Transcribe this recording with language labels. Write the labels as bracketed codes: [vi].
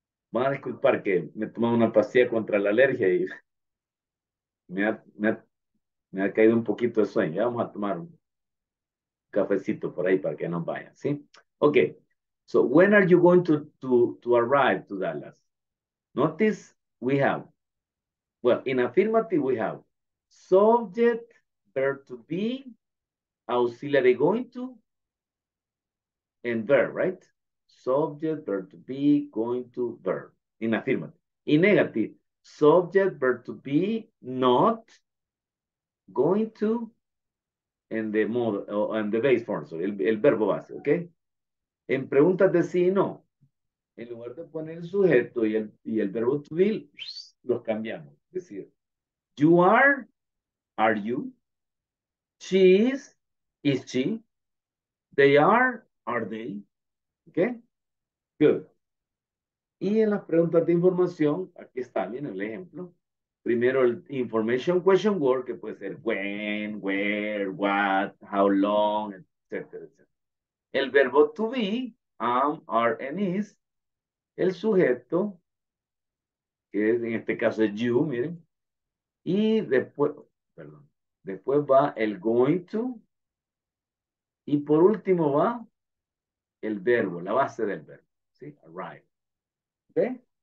[es] Van a disculpar que me he tomado una pastilla contra la alergia y me ha caído un poquito de sueño. Ya vamos a tomar un cafecito por ahí para que no vayan, ¿sí? Ok. [en] So, when are you going to arrive to Dallas? Notice we have, well, in affirmative we have subject, verb to be, auxiliary going to, and verb, right? Subject, verb to be, going to, verb, in affirmative. In negative, subject, verb to be, not, going to, and the mode, and the base form, sorry, [es] el verbo base, [en] okay? [es] En preguntas de sí y no, en lugar de poner el sujeto y el verbo to be, los cambiamos. Es decir, [en] you are you, she is she, they are [es] they, ¿ok? [en] Good. [es] Y en las preguntas de información, aquí está bien el ejemplo. Primero el [en] information question word, [es] que puede ser [en] when, where, what, how long, [es] etcétera, etcétera. El verbo to be, [en] am, are, and is, [es] el sujeto, que en este caso es you, miren, y después va el going to, y por último va el verbo, la base del verbo, ¿sí? Arrive. ¿Ve?